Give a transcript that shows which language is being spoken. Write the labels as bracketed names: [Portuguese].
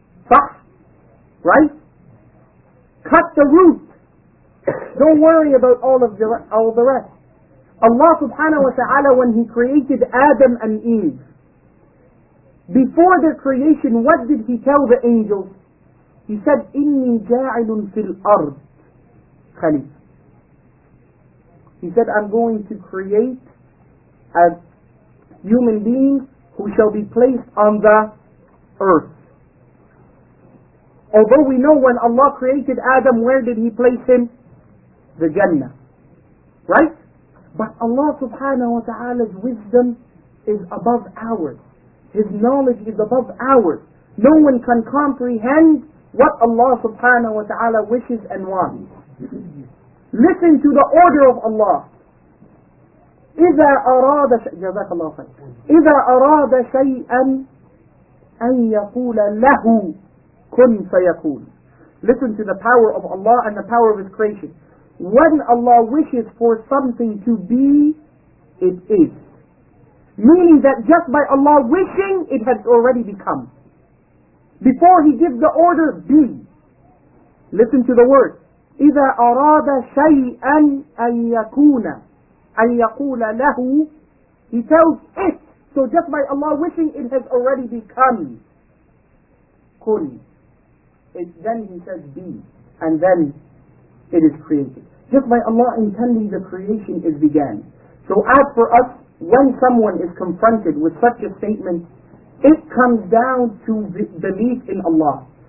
[English] صح? Right? Cut the root. Don't worry about all the rest. Allah subhanahu wa ta'ala, when He created Adam and Eve, before their creation, what did He tell the angels? [Arabic] He said, إِنِّي جَاعِلٌ فِي الْأَرْضِ خَلِيفَ. [English] He said, I'm going to create a human being who shall be placed on the earth. Although we know when Allah created Adam, where did He place him? The Jannah. Right? But Allah subhanahu wa ta'ala's wisdom is above ours. His knowledge is above ours. No one can comprehend what Allah subhanahu wa ta'ala wishes and wants. Listen to the order of Allah. [Arabic] إِذَا أَرَادَ جَزَاكَ إِذَا أَرَادَ شَيْئًا أَن يَقُولَ لَهُ كُنْ فَيَكُونَ. [English] Listen to the power of Allah and the power of His creation. When Allah wishes for something to be, it is. Meaning that just by Allah wishing, it has already become. before he gives the order, be. Listen to the word. [Arabic] إِذَا أَرَادَ شَيْئًا أَن يَكُونَ أَن يَقُولَ لَهُ. [English] He tells it. So just by Allah wishing, it has already become. كُن. Then he says be. And then it is created. Just by Allah intending, the creation is began. So as for us, when someone is confronted with such a statement, it comes down to belief in Allah.